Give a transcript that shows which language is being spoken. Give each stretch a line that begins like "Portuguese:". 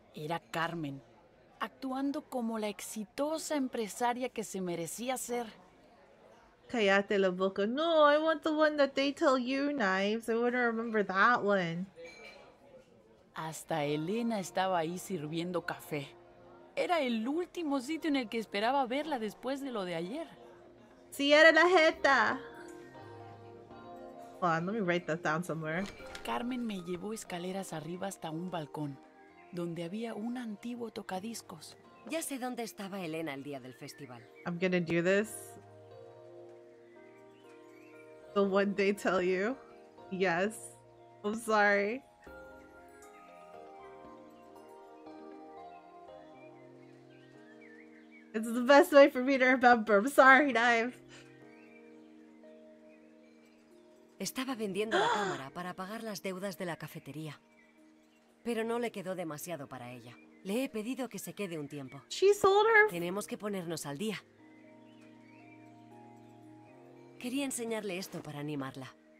Spanish: Era Carmen, actuando como la exitosa empresaria que se merecía ser. Cállate la boca.
English: No, I want the one that they tell you, Knives. I want to remember that one.
Spanish: Hasta Elena estaba ahí sirviendo café. Era el último sitio en el que esperaba verla después de lo de ayer. Cierra la jeta.
English: Hold on, let me write that down somewhere.
Spanish: Carmen me llevó escaleras arriba hasta un balcón, donde había un antiguo tocadiscos. Ya sé dónde estaba Elena el día del festival.
English: I'm gonna do this. The one they tell you. Yes. I'm sorry. It's the best way for me to remember. I'm sorry, Knife.
Spanish: Estaba vendiendo la cámara para pagar las deudas de la cafetería. Pero no le quedó demasiado para ella. Le he pedido que se quede un tiempo.
English: She sold her.
Spanish: Tenemos que ponernos al día. Quería enseñarle esto para animarla.